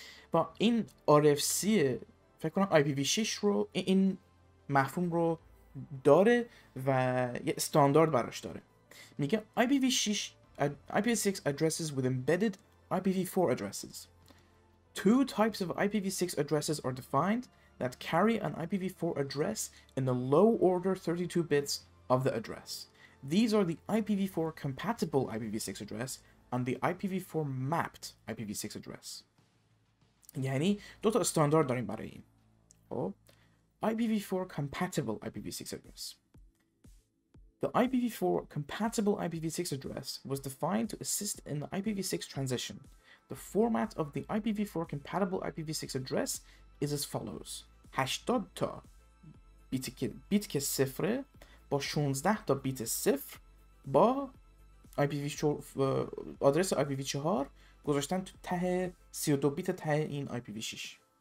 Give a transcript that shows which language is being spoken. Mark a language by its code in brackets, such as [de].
[fa] با این RFC فکر کنم IPv6 رو این مفهوم رو داره و یه استاندارد براش داره، میگه [en] IPv6 IPv6 addresses with embedded IPv4 addresses. Two types of IPv6 addresses are defined that carry an IPv4 address in the low order 32 bits of the address. These are the IPv4 compatible IPv6 address and the IPv4 mapped IPv6 address. [fa] یعنی دو تا استاندارد داریم برای این. [en] IPv4 compatible IPv6 address. The IPv4 compatible IPv6 address was defined to assist in the IPv6 transition. The format of the IPv4 compatible IPv6 address is as follows. [fa] 80 تا بیت که صفر با 16 تا بیت صفر با IPv4 آدرس IPv4 گذاشتن تو ته 32 بیت ته این IPv6.